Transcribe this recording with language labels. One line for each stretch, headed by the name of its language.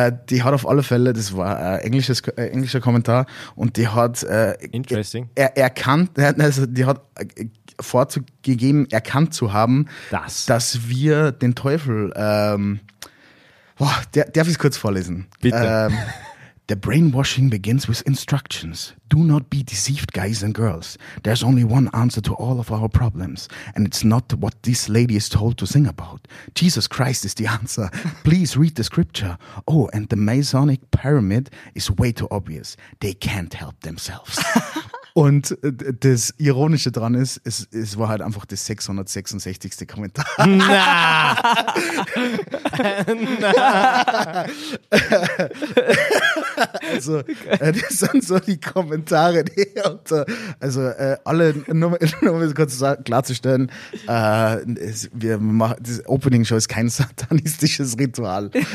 German: Die hat auf alle Fälle, das war ein englischer Kommentar, und die hat erkannt, also die hat vorzugegeben, erkannt zu haben, dass wir den Teufel, darf ich es kurz vorlesen? Bitte.
English: The brainwashing begins with instructions. Do not be deceived, guys and girls. There's only one answer to all of our problems. And it's not what this lady is told to sing about. Jesus Christ is the answer. Please read the scripture. Oh, and the Masonic pyramid is way too obvious. They can't help themselves.
German: Und das Ironische dran ist, es war halt einfach das 666. Kommentar. Na! Also, das sind so die Kommentare, die unter, also alle, nur um es kurz klarzustellen, das Opening-Show ist kein satanistisches Ritual.